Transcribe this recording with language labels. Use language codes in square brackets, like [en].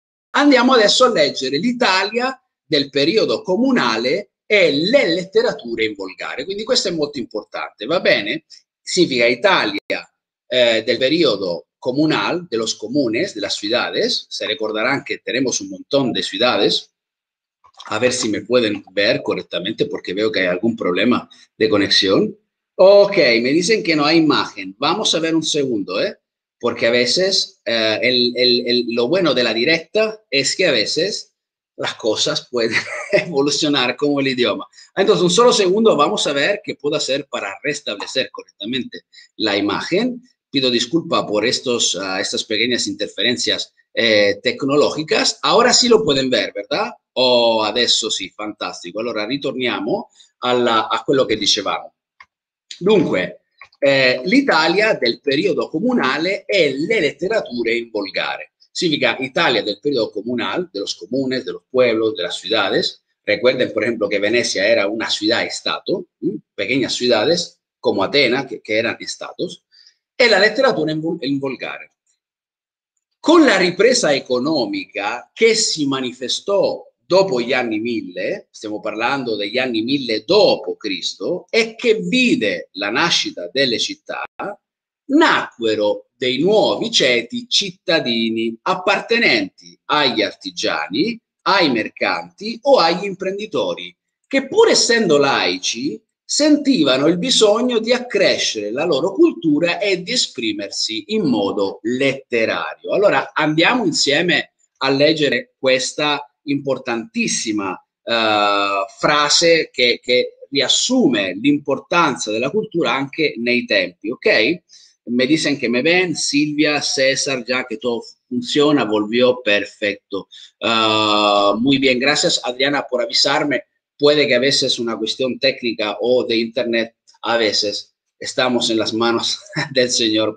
[it] Andiamo adesso a leggere l'Italia del periodo comunale e le letterature in volgare. Quindi questo è molto importante, va bene? Significa Italia del periodo comunale, [es] de los comunes, de las ciudades. [it] Se ricorderà che [es] tenemos un montón de ciudades. A ver si me pueden ver correctamente porque veo que hay algún problema de conexión. Ok, me dicen que no hay imagen. Vamos a ver un segundo, ¿eh? Porque a veces lo bueno de la directa es que a veces las cosas pueden evolucionar como el idioma. Entonces, un solo segundo, vamos a ver qué puedo hacer para restablecer correctamente la imagen. Pido disculpa por estas pequeñas interferencias tecnológicas. Ahora sí lo pueden ver, ¿verdad? [it] Oh, adesso sí, fantástico. Allora, ritorniamo a quello che dicevamo. Dunque. L'Italia del periodo comunale e le letterature in volgare. Significa Italia del periodo comunale, [es] de los comunes, de los pueblos, de las ciudades. Recuerden, por ejemplo, que Venecia era una ciudad-estado, pequeñas ciudades como Atenas, que eran estados, [it] e la letteratura in volgare. Con la ripresa economica che si manifestò dopo gli anni 1000, stiamo parlando degli anni 1000 dopo Cristo, e che vide la nascita delle città, nacquero dei nuovi ceti cittadini appartenenti agli artigiani, ai mercanti o agli imprenditori, che pur essendo laici, sentivano il bisogno di accrescere la loro cultura e di esprimersi in modo letterario. Allora andiamo insieme a leggere questa importantissima frase che riassume l'importanza della cultura anche nei tempi, ok? [es] Me dicen que me ven, Silvia, César, ya que todo funciona, volvió perfecto. Muy bien, gracias Adriana por avisarme. Puede que a veces una cuestión técnica o de internet, a veces estamos en las manos del Señor.